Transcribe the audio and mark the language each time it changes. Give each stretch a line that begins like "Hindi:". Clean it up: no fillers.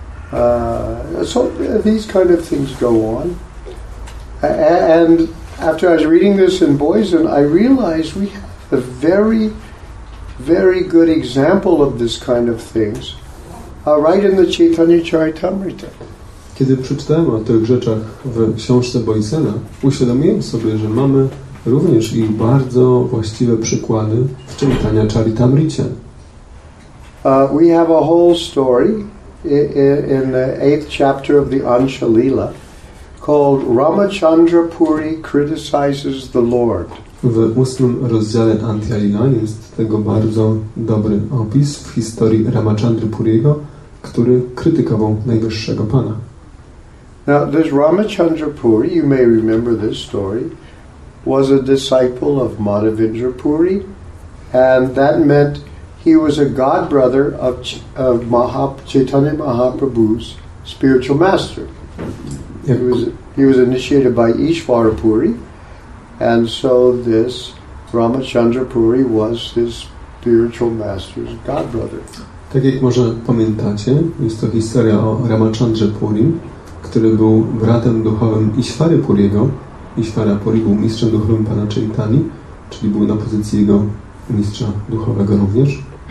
English: These kind of things go on. And after I was reading this in Bhojan, I realized we have a very, very good example of this kind of things right in the Chaitanya Charitamrita.
Polish: Kiedy przeczytałem o tych rzeczach w książce Bhojana, uświadomiłem sobie, że mamy również i bardzo właściwe przykłady w Chaitanya Charitamrita.
English: We have a whole story in the 8th chapter of the Ansha Lila called Ramachandra Puri Criticizes the Lord.
Polish: W 8 rozdziale Antya Lila jest tego bardzo dobry opis w historii Ramachandra Puriego, który krytykował Najwyższego Pana.
English: Now, this Ramachandra Puri, you may remember this story, was a disciple of Madhavendra Puri, and that meant he was a godbrother of Chaitanya Mahaprabhu's spiritual master. He was initiated by Ishvara Puri, and so this Ramachandra Puri was his spiritual master's godbrother.
Polish: Tak jak może pamiętacie, jest to historia o Ramachandra Puri, który był bratem duchowym Ishvara Puriego. Ishvara Puri był mistrzem duchowym pana Chaitani, czyli był na pozycji jego mistrza duchowego również.